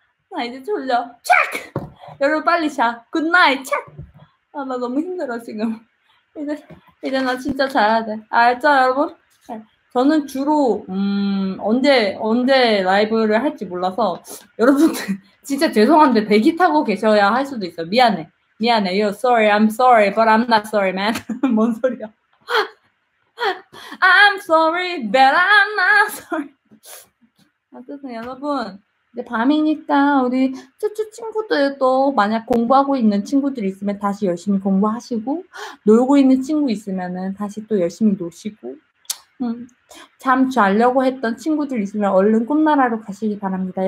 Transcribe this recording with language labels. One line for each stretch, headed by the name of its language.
Korean: 나 이제 졸려. 착! 여러분 빨리 자.
English: Good night.
Korean: 착! 아, 나 너무 힘들어, 지금. 이제 나 진짜 자야 돼. 알죠, 여러분? 저는 주로, 언제 라이브를 할지 몰라서, 여러분들, 진짜 죄송한데, 대기 타고 계셔야 할 수도 있어. 미안해. 미안해.
English: You're sorry, I'm sorry, but I'm not sorry, man.
Korean: 뭔 소리야?
English: I'm sorry, but I'm not sorry.
Korean: 어쨌든, 여러분. 이제 밤이니까 우리 쭈쭈 친구들도 만약 공부하고 있는 친구들 있으면 다시 열심히 공부하시고 놀고 있는 친구 있으면은 다시 또 열심히 노시고 잠 자려고 했던 친구들 있으면 얼른 꿈나라로 가시기 바랍니다.